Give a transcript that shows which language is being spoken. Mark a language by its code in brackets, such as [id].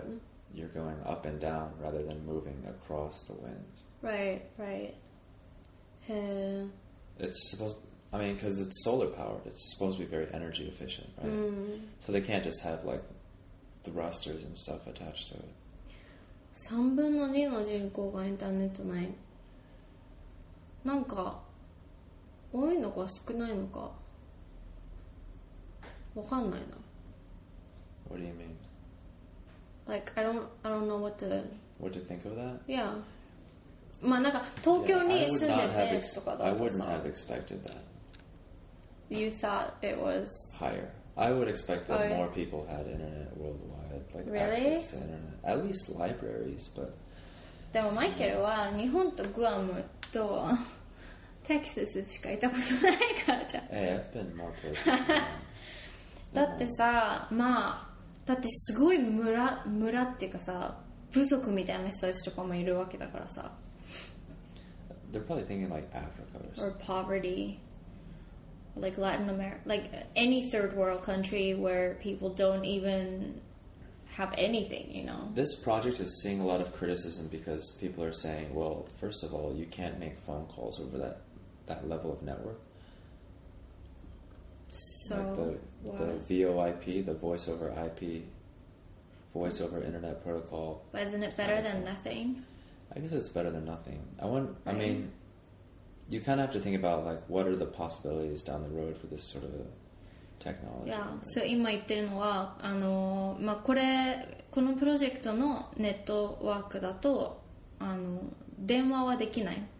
[en] But you're going up and down rather than moving across the wind. Right. It's supposed, I mean, because it's solar powered, it's supposed to be very energy efficient, right? So they can't just have like thrusters and stuff attached to it. [ja] 3分の2の人口がインターネットない、なんか多いのか少ないのかわかんないな。 [en] What do you mean? Like, I don't know what to think of that? Yeah. [ja] まあ、なんか東京に住んでてとかだったさ。 [en] I would not have expected that. You thought it was higher. I would expect that more people had internet worldwide, like really? Access to internet. At least libraries, but. [ja] でもマイケルは日本とグアムとテキサスしかいたことないからじゃん。 [en] Hey, I've been more places. [ja] だってさ、まあ、だってすごい村っていうかさ、部族みたいな人たちとかもいるわけだからさ。 [en] They're probably thinking like Africa or something. Or poverty. Like Latin America. Like any third world country where people don't even have anything, you know? This project is seeing a lot of criticism because people are saying, well, first of all, you can't make phone calls over that level of network. So, like the VoIP, the voice over IP, voice over internet protocol. But isn't it better than nothing? I guess it's better than nothing. I mean, you kind of have to think about like what are the possibilities down the road for this sort of technology. Yeah. [ja] So 今言ってるのは、まあ、このプロジェクトのネットワークだと、電話はできない。